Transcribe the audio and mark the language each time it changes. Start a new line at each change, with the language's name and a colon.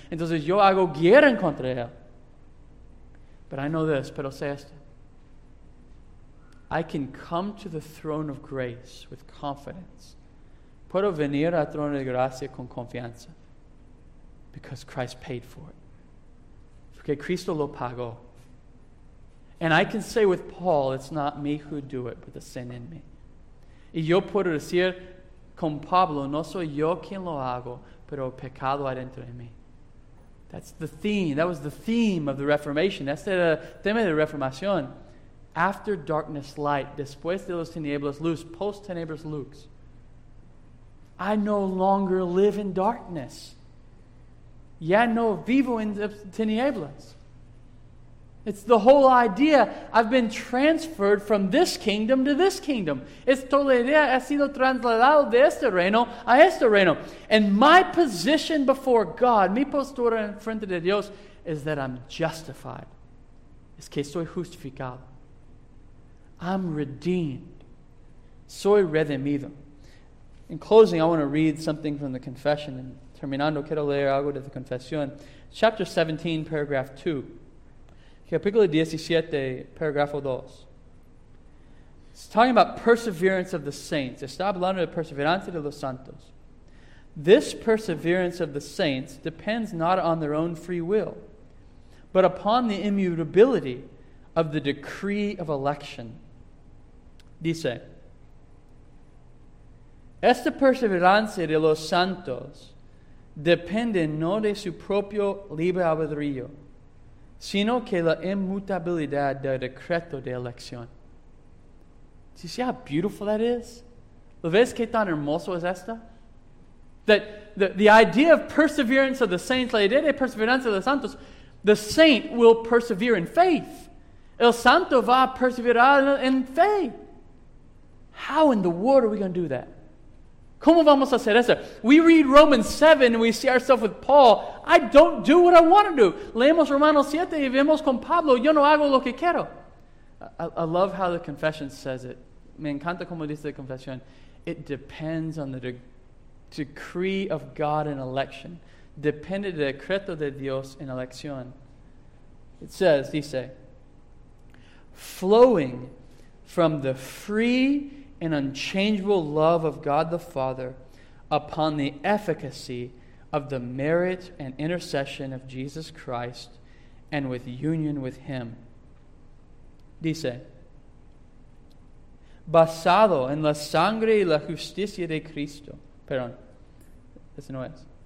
Spanish: Entonces yo hago guerra contra él.
English: But I know this,
Spanish: pero sé esto.
English: I can come to the throne of grace with confidence.
Spanish: Puedo venir al trono de gracia con confianza.
English: Because Christ paid for it.
Spanish: Porque Cristo lo pagó.
English: And I can say with Paul, it's not me who do it, but the sin in me.
Spanish: Y yo puedo decir con Pablo, no soy yo quien lo hago, pero el pecado adentro de mí.
English: That's the theme. That was the theme of the Reformation. That's the
Spanish: tema de la Reformación.
English: After darkness, light.
Spanish: Después de los tinieblas, luz. Post tinieblas, luz.
English: I no longer live in darkness.
Spanish: Ya no vivo en tinieblas.
English: It's the whole idea. I've been transferred from this kingdom to this kingdom.
Spanish: Es toda la idea. He sido trasladado de este reino a este reino.
English: And my position before God,
Spanish: mi postura en frente de Dios,
English: is that I'm justified.
Spanish: Es que soy justificado.
English: I'm redeemed.
Spanish: Soy redimido.
English: In closing, I want to read something from the confession.
Spanish: And terminando, quiero leer algo de la confesión.
English: Chapter 17, paragraph 2.
Spanish: Capítulo 17, paragrafo 2.
English: It's talking about perseverance of the saints.
Spanish: Está hablando de perseverancia de los santos.
English: This perseverance of the saints depends not on their own free will, but upon the immutability of the decree of election.
Spanish: Dice, esta perseverancia de los santos depende no de su propio libre albedrío, sino que la inmutabilidad del decreto de elección.
English: Do you see how beautiful that is?
Spanish: ¿Lo ves qué tan hermoso es esta?
English: That the idea of perseverance of the saints,
Spanish: la idea de perseverancia de los santos,
English: the saint will persevere in faith.
Spanish: El santo va a perseverar en fe.
English: How in the world are we going to do that?
Spanish: ¿Cómo vamos a hacer eso?
English: We read Romans 7 and we see ourselves with Paul. I don't do what I want to do.
Spanish: Leemos Romanos 7 y vemos con Pablo. Yo no hago lo que quiero.
English: I love how the confession says it.
Spanish: Me encanta como dice la confesión.
English: It depends on the decree of God in election.
Spanish: Depende del decreto de Dios en elección.
English: It says, dice, flowing from the free an unchangeable love of God the Father upon the efficacy of the merit and intercession of Jesus Christ and with union with him.
Spanish: Dice, basado en la sangre y la justicia de Cristo. Perdón, ese no es.